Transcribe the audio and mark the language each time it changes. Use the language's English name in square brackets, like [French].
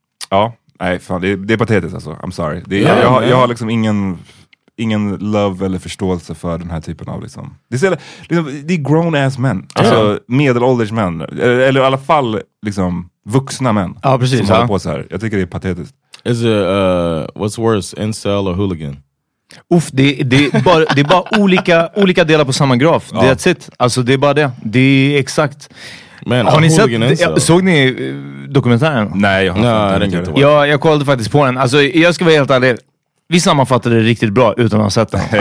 [Swedish] Ja, nej fan, det är patetiskt alltså, [English] I'm sorry. [Swedish] Jag har liksom ingen love eller förståelse för den här typen av liksom. Det är [English] grown ass [Swedish] män, alltså medelålders män, eller i alla fall liksom vuxna män. Ja, precis. Som håller på så här. Jag tycker det är patetiskt. [English] Is it what's worse, incel or hooligan? [Swedish] Uff, det är bara olika delar på samma graf. Ja. [English] That's it. [Swedish] Alltså det är bara det. Det är exakt. Men har ni sett, såg ni dokumentären? Nej, jag kollade faktiskt på den. Alltså jag ska vara helt ärlig. Vi sammanfattade det riktigt bra utan att ha sett den.